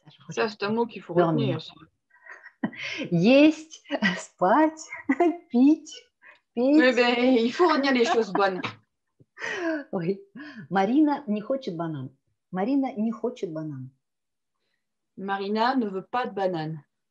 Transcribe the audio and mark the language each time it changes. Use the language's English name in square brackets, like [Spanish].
[French] Ça, c'est un mot qu'il faut retenir. [Russian] Есть, спать, пить. [French] Mais ben, il faut retenir les choses bonnes. Oui. [Russian] Marina не хочет банан. Marina не хочет банан. [French] Marina ne veut pas de banane.